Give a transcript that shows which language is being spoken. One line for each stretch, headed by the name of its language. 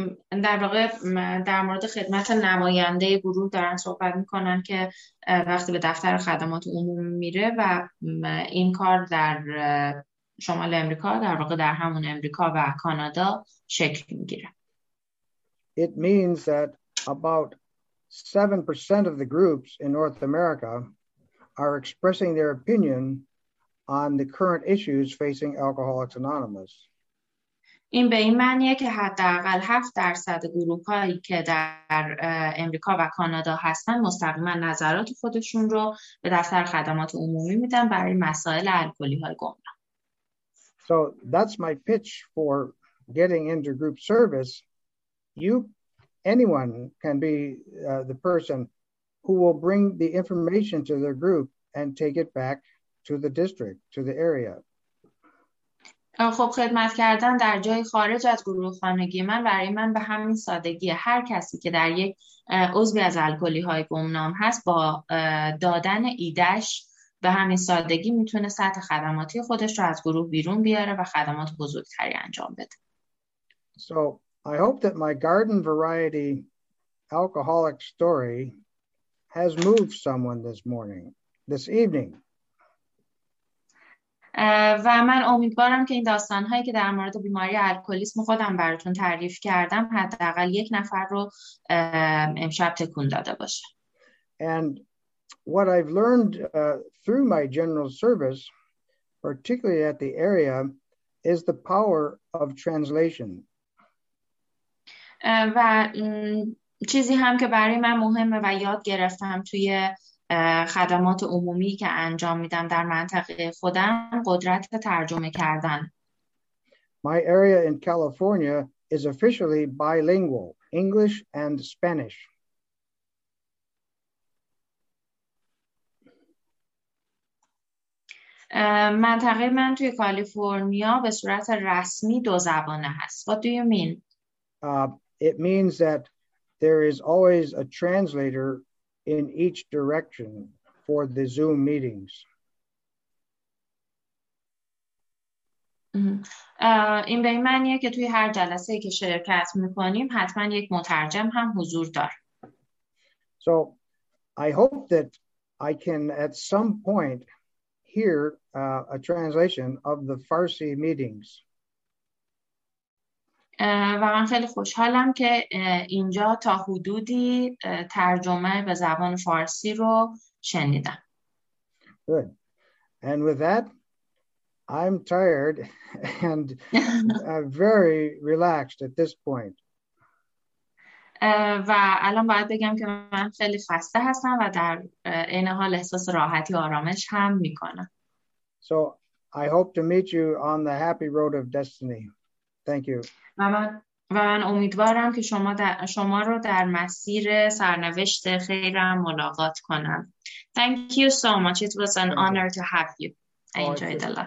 Persian: در واقع در مورد خدمت نماینده گروه دارن صحبت میکنن که وقتی به دفتر خدمات عمومی میره و این کار در شمال امریکا، در واقع در همون امریکا و کانادا شکل میگیره.
English: It means that about 7% of the groups in North America are expressing their opinion on the current issues facing Alcoholics Anonymous.
Persian: این به این معنیه که حداقل 7% گروه‌هایی که در امریکا و کانادا هستن مستقیما نظرات خودشون رو به دفتر خدمات عمومی میدن برای مسائل الکلی‌های گمنام.
English: So that's my pitch for getting into group service. Anyone can be the person who will bring the information to their group and take it back to the district, to the area.
Persian: خب خدمت کردن در جای خارج از گروه خانگی من برای من به همین سادگی، هر کسی که در یک عضوی از الکلی‌های گمنام هست با دادن ایدش به همین سادگی میتونه سطح خدماتی خودش رو از گروه بیرون بیاره و خدمات بزرگتری انجام بده.
English: So I hope that my garden variety alcoholic story has moved someone this evening.
Persian: و من امیدوارم که این داستان‌هایی که در مورد بیماری الکلیسم خودم براتون تعریف کردم حداقل یک نفر رو امشب تکون داده باشه.
English: And what I've learned through my general service, particularly at the area, is the power of translation.
Persian: و چیزی هم که برای من مهمه و یاد گرفتم توی خدمات عمومی که انجام میدم در منطقه خودم، قدرت ترجمه کردن.
English: My area in California is officially bilingual, English and Spanish.
Persian: منطقه من توی کالیفرنیا به صورت رسمی دو زبانه هست.
English: What do you mean? It means that there is always a translator in each direction for the Zoom meetings.
Persian: این به این معنیه که توی هر جلسه که شرکت میکنیم حتما یک مترجم هم حضور داره.
English: So I hope that I can at some point hear a translation of the Farsi meetings.
Persian: و من خیلی خوشحالم که اینجا تا حدودی ترجمه به زبان فارسی رو شنیدم.
English: Good. And with that, I'm tired and very relaxed at this point.
Persian: و الان باید بگم که من خیلی خسته هستم و در این حال احساس راحتی و آرامش هم میکنم.
English: So I hope to meet you on the happy road of destiny. Thank you.
Persian: و من امیدوارم که شما رو در مسیر سرنوشت خیرم ملاقات کنم.
English: Thank you so much. It was an honor to have you. I enjoyed a lot.